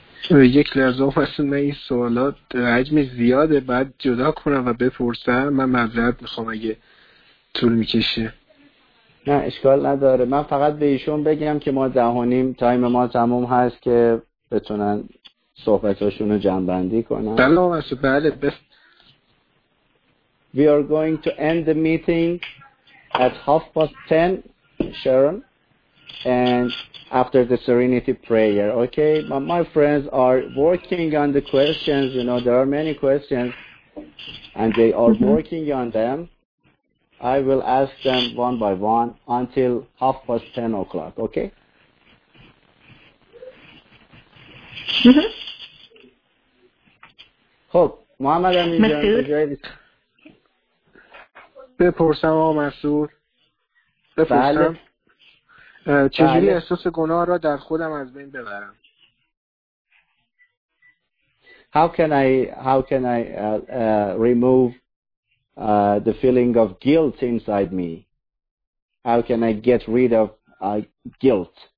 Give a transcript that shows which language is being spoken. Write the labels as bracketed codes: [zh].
[fa] یک لحظه آقا مسعود، من این سوالات حجم زیاده، بعد جدا کنم و بپرسم، من معذرت میخوام اگه طول میکشه. نه اشکال نداره، من فقط به ایشون بگم که ما 10:30 تایم ما تموم هست که بتونن صحبتاشون رو جمع‌بندی کنن. بله مسعود. بله [en] We are going to end the meeting at 10:30 Sharon, and after the serenity prayer. Okay, my friends are working on the questions, you know there are many questions and they are working on them. I will ask them one by one until 10:30, okay? [fa] خب، محمد امین جان، بپرسم آقا مسعود. بپرسم. چجوری احساس گناه را در خودم از بین ببرم؟ [en] How can I remove the feeling of guilt inside me? How can I get rid of guilt?